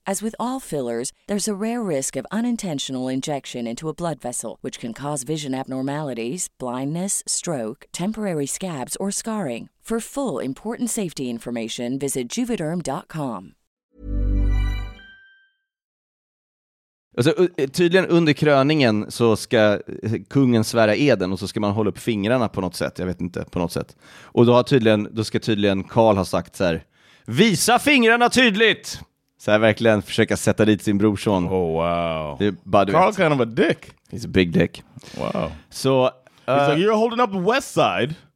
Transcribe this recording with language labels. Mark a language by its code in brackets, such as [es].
[en] As with all fillers, there's a rare risk of unintentional injection into a blood vessel, which can cause vision abnormalities, blindness, stroke, temporary scabs, or scarring. For full important safety information, visit Juvederm.com. [sv] Alltså, tydligen under kröningen så ska kungen svära eden och så ska man hålla upp fingrarna på något sätt. Jag vet inte, på något sätt. Och då, ska tydligen Karl ha sagt så här: visa fingrarna tydligt! Så här verkligen försöka sätta dit sin brorson. [en] Oh, wow. Carl's kind of a dick. He's a big dick. Wow. So, he's like, you're holding up the west side.